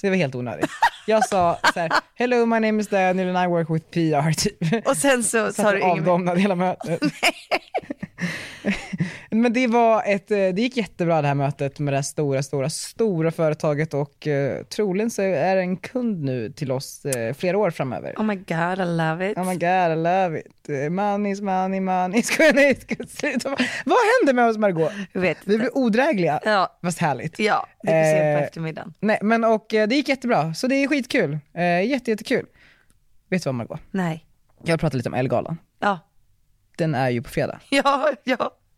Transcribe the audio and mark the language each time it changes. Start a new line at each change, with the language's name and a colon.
Swedish: Det var helt onödigt. Jag sa så här,
English: hello, my name is Daniel and I work with PR.
Swedish: Typ. Och sen så sa du avdomnade hela mötet. Nej. Men det var ett, det gick jättebra det här mötet med det stora, stora, stora företaget. Och troligen så är det en kund nu till oss flera år framöver.
English: Oh my god, I love it. Oh my god, I love it. Money's money, money's good, it's good, it's good, it's good.
Swedish: Vad händer med oss, Margot? Vet vi blir odrägliga. Ja. Fast härligt. Ja, det blir sent på eftermiddagen. Nej, men och det gick jättebra. Så det är skitkul. Jättekul. Vet du vad, Margot? Nej. Jag vill prata lite om Elgalan. Ja. Den är ju på fredag. Ja, ja.